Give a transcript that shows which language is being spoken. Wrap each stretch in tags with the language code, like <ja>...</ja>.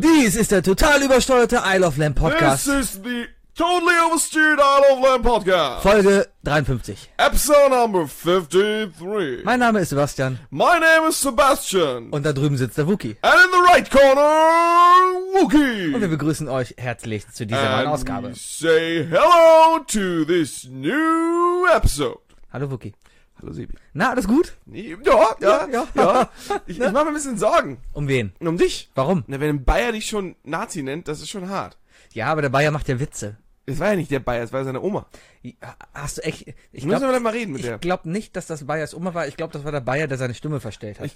<de>Dies ist der total übersteuerte Isle of Lamp</de> <en>This Podcast. is the totally oversteered Isle of Lamp Podcast.</en> <de>Folge 53.</de> <en>Episode number 53.</en> <de>Mein Name ist Sebastian.</de> <en>My name is Sebastian.</en> <de>Und da drüben sitzt der Wookie.</de> <en>And in the right corner, Wookie.</en> <de>Und wir begrüßen euch herzlich zu dieser</de> <en>and</en> <de>neuen Ausgabe.</de> <en>We say hello to this new episode.</en> <de>Hallo Wookie. Hallo Sebi. Na, alles gut? Ja. Ich mache mir ein bisschen Sorgen. Um wen? Um dich. Warum? Na, wenn ein Bayer dich schon Nazi nennt, das ist schon hart. Ja, aber der Bayer macht ja Witze. Es war ja nicht der Bayer, es war seine Oma. Hast du echt... Ich müssen glaub, wir mal reden mit ich der. Ich glaube nicht, dass das Bayers Oma war. Ich glaube, das war der Bayer, der seine Stimme verstellt hat.</de>